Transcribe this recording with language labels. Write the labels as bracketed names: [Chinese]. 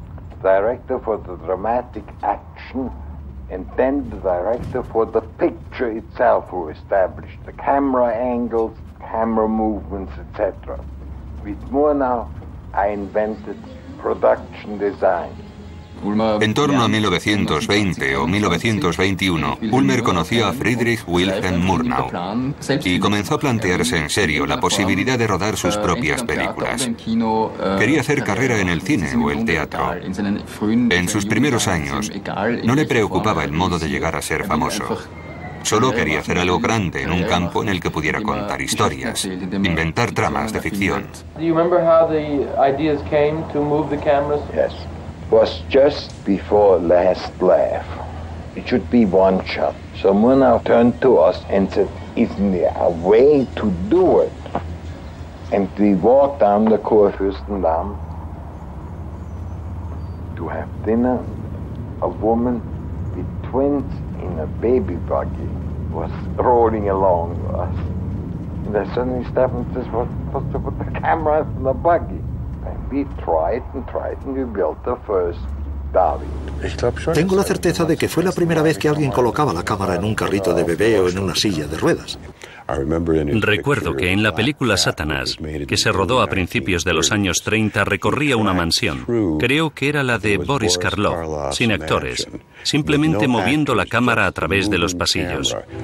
[English] The director for the dramatic action, and then the director for the picture itself, who established the camera angles, camera movements, etc. With Murnau, I invented production design. [Spanish] En torno a 1920 o 1921, Ulmer conoció a Friedrich Wilhelm Murnau y comenzó a plantearse en serio la posibilidad de rodar sus propias películas. Quería hacer carrera en el cine o el teatro. En sus primeros años, no le preocupaba el modo de llegar a ser famoso. Solo quería hacer algo grande en un campo en el que pudiera contar historias, inventar tramas de ficción. [English] Was just before Last Laugh. It should be one shot. Someone now turned to us and said, isn't there a way to do it? And we walked down the Kurfürstendamm to have dinner. A woman with twins in a baby buggy was rolling along with us. And I suddenly stopped and said, what's to put the camera in the buggy? And we tried and tried and we built the first dolly. [Spanish] Tengo la certeza de que fue la primera vez que alguien colocaba la cámara en un carrito de bebé o en una silla de ruedas. Recuerdo que en la película Satanás, que se rodó a principios de los años 30, recorría una mansión. Creo que era la de Boris Karloff, sin actores, simplemente moviendo la cámara a través de los pasillos.